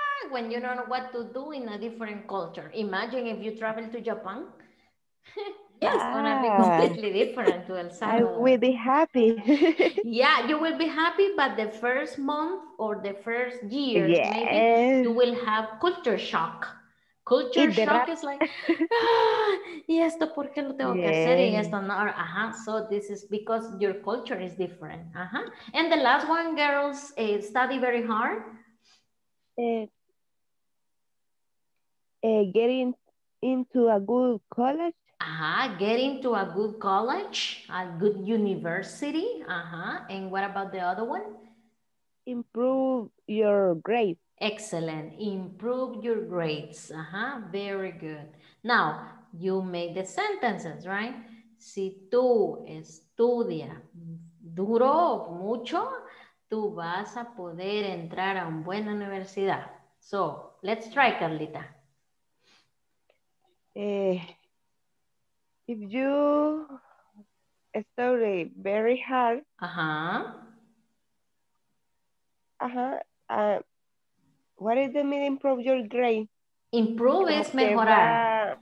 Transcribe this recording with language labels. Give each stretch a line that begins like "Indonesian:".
English: When you don't know what to do in a different culture. Imagine if you travel to Japan. Yes, it's gonna be completely different to El Salvador. I will be happy. Yeah, you will be happy, but the first month or the first year, maybe you will have culture shock. Culture shock is like,
Spanish: ¿y esto por qué lo tengo que hacer? ¿Y esto no?
English: So this is because your culture is different. And the last one, girls, study very hard. Getting into a good college. Get into a good college, a good university. And what about the other one? Improve your grades. Excellent. Improve your grades. Very good. Now, you make the sentences, right?
Spanish: Si tú estudias duro mucho, tú vas a poder entrar a una buena universidad.
English: So, let's try, Carlita. If you study very hard, what is the meaning of your grade? Improve is mejorar.